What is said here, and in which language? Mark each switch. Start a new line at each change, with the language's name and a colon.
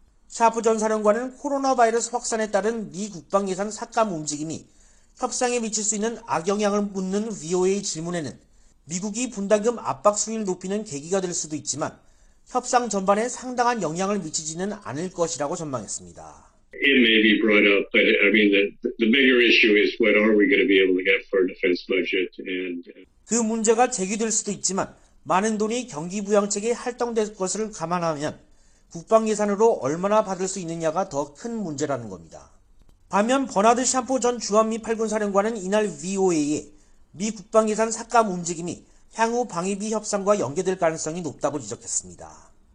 Korean: 샤프 전 사령관은 코로나 바이러스 확산에 따른 미 국방 예산 삭감 움직임이 협상에 미칠 수 있는 악영향을 묻는 VOA 질문에는 미국이 분담금 압박 수위를 높이는 계기가 될 수도 있지만 협상 전반에 상당한 영향을 미치지는 않을 것이라고 전망했습니다.
English: It may be brought up, but I mean the bigger issue is what are we going to be able to get for defense budget and
Korean: 그 문제가 제기될 수도 있지만 많은 돈이 경기 부양책에 할당될 것을 감안하면 국방 예산으로 얼마나 받을 수 있느냐가 더 큰 문제라는 겁니다. 반면 버나드 샴포 전 주한미 8군 사령관은 이날 VOA에 미 국방 예산 삭감 움직임이 향후 방위비 협상과 연계될 가능성이 높다고 지적했습니다.